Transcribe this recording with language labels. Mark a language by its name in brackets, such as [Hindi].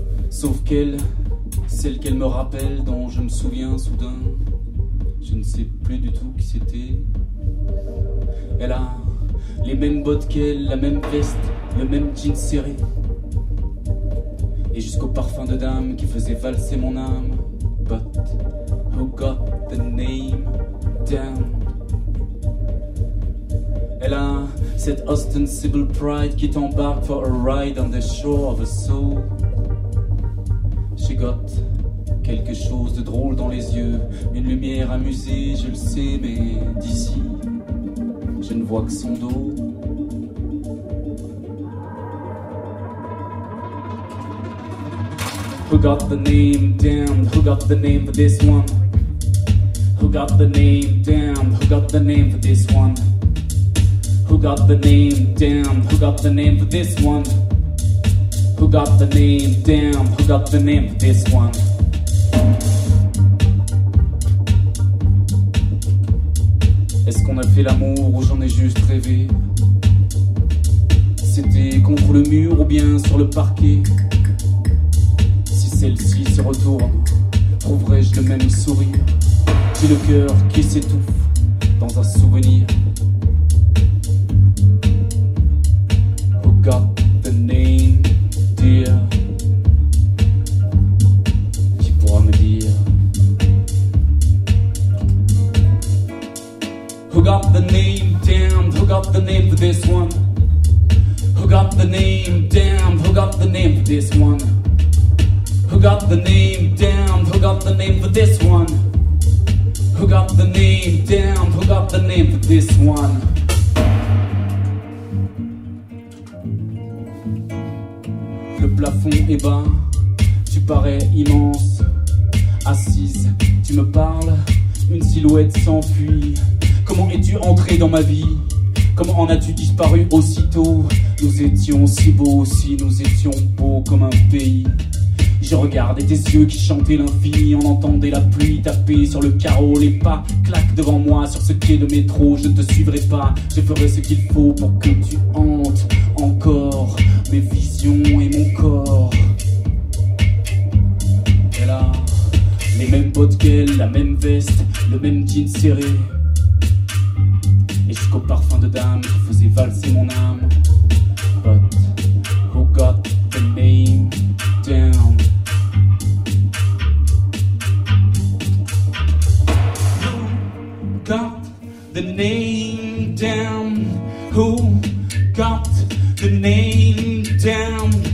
[French] Sauf qu'elle, celle qu'elle me rappelle, dont je me souviens soudain, je ne sais plus du tout qui c'était. Elle a les mêmes bottes qu'elle, la même veste, le même jean serré. Et jusqu'au parfum de dame qui faisait valser mon âme. [English] But who got the name down? [French] Elle a cette ostensible pride qui t'embarque [English] for a ride on the shore of a soul. She got [French] quelque chose de drôle dans les yeux, une lumière amusée, je le sais, mais d'ici, je ne vois que son dos. [English] Who got the name down? Who got the name for this one? Who got the name down? Who got the name for this one? Who got the name down? Who got the name for this one? Who got the name down? Who got the name for this one? [French] Est-ce qu'on a fait l'amour ou j'en ai juste rêvé? C'était contre le mur ou bien sur le parquet? Si celle-ci se retourne, trouverai-je le même sourire? J'ai le cœur qui s'étouffe dans un souvenir. [English] Who got the name dear? [French] Qui pourra me dire? [English] Who got the name damned? Who got the name for this one? Who got the name damned? Who got the name for this one? Who got the name damned? Who got the name for this one? Who got the name damned? Who got the name for this one? [French] Le plafond est bas, tu parais immense. Assise, tu me parles, une silhouette s'enfuit. Comment es-tu entré dans ma vie? Comment en as-tu disparu aussitôt? Nous étions si beaux, si nous étions beaux comme un pays. Je regardais tes yeux qui chantaient l'infini. On entendait la pluie taper sur le carreau. Les pas claquent devant moi sur ce quai de métro. Je ne te suivrai pas, je ferai ce qu'il faut pour que tu hantes encore mes visions et mon corps. Elle a les mêmes bottes qu'elle, la même veste, le même jean serré. Et jusqu'au parfum de dame qui faisait valser mon âme. [English] But who got the name down? Who got the name down? Who got the name down?